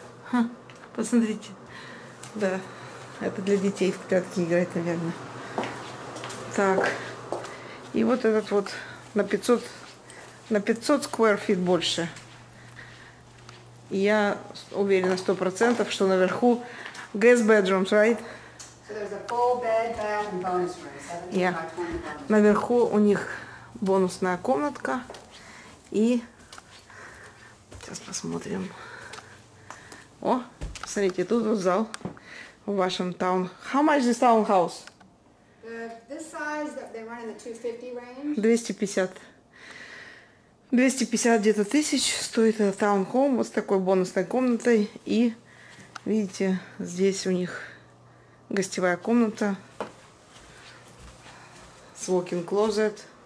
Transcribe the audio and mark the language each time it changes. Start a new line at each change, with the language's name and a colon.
Russian: Ха, посмотрите. Да, это для детей в прятки играть, наверное. Так, и вот этот вот на 500... На 500 square feet больше. Я уверена 100%, что наверху
English: guest bedrooms, right? So there's a full bed, bath and bonus room. 7, yeah.
Russian: 5, наверху у них бонусная комнатка. И сейчас посмотрим. О, смотрите, тут вот зал в вашем таун.
English: How much is townhouse? This size, they run in the 250 range. 250.
Russian: 250 где-то тысяч стоит этот таунхоум вот с такой бонусной комнатой. И видите, здесь у них гостевая комната с walk-in closet.